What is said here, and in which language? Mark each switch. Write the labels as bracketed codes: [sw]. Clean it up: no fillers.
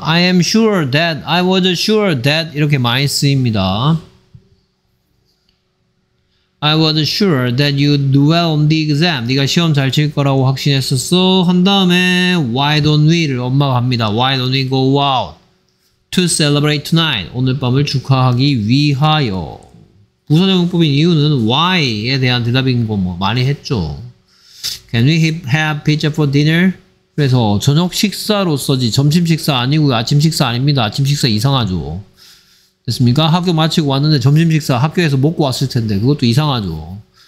[en] I am sure that, I was sure that. [ko] 이렇게 많이 쓰입니다. [en] I was sure that you'd do well on the exam. [ko] 네가 시험 잘칠 거라고 확신했었어. 한 다음에, [en] why don't we [ko] 를 엄마가 합니다. [en] Why don't we go out to celebrate tonight? [ko] 오늘 밤을 축하하기 위하여. 부사정용법인 이유는 why에 대한 대답인 거뭐 많이 했죠. [en] Can we have pizza for dinner? [ko] 그래서 저녁 식사로 써지 점심 식사 아니고 아침 식사 아닙니다. 아침 식사 이상하죠. 됐습니까? 학교 마치고 왔는데 점심 식사 학교에서 먹고 왔을 텐데 그것도 이상하죠.